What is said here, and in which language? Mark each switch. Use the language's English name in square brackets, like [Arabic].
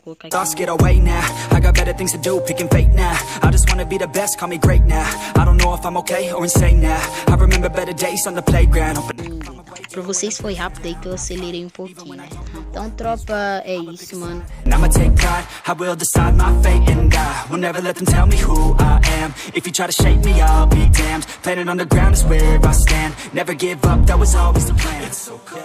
[English] Thoughts get away now, I got better things to do, picking fate now. I just wanna be the best, call me great now. I don't know if I'm okay or insane now. I remember better days on the playground. [Portuguese] Pra vocês foi rápido aí que eu acelerei um pouquinho, né? Então, tropa, é isso, mano. [English] I'ma take pride, I will decide my fate and die. Will never let them tell me who I am. If you try to shape me, I'll be damned. Planet on the ground is where I stand. Never give up, that was always the plan. It's so